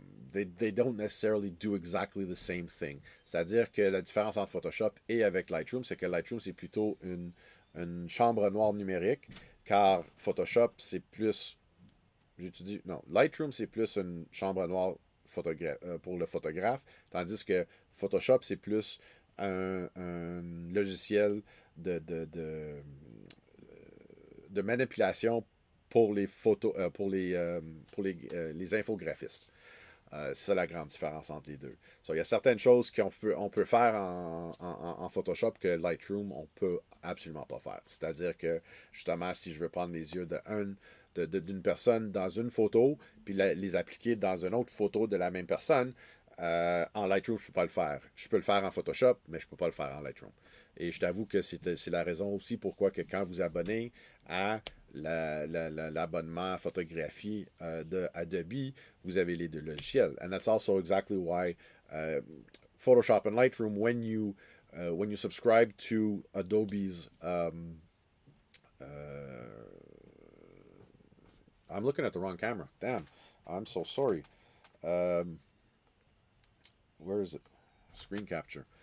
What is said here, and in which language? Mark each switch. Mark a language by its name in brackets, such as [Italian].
[English] They don't necessarily do exactly the same thing. [French] C'est-à-dire que la différence entre Photoshop et avec Lightroom, c'est que Lightroom, c'est plutôt une chambre noire numérique, car Photoshop, c'est plus... Lightroom, c'est plus une chambre noire pour le photographe, tandis que Photoshop, c'est plus un logiciel de manipulation pour les photos, les infographistes. C'est la grande différence entre les deux. So, il y a certaines choses qu'on peut faire en Photoshop que Lightroom, on peut absolument pas faire. C'est-à-dire que, justement, si je veux prendre les yeux d'une personne dans une photo, puis les appliquer dans une autre photo de la même personne, en Lightroom, je ne peux pas le faire. Je peux le faire en Photoshop, mais je ne peux pas le faire en Lightroom. Et je t'avoue que c'est la raison aussi pourquoi que quand vous abonnez à l'abonnement photographie de Adobe, vous avez les deux logiciels. [English] And that's also exactly why Photoshop and Lightroom, when you subscribe to Adobe's... I'm looking at the wrong camera. Damn. I'm so sorry. Where is it? Screen capture.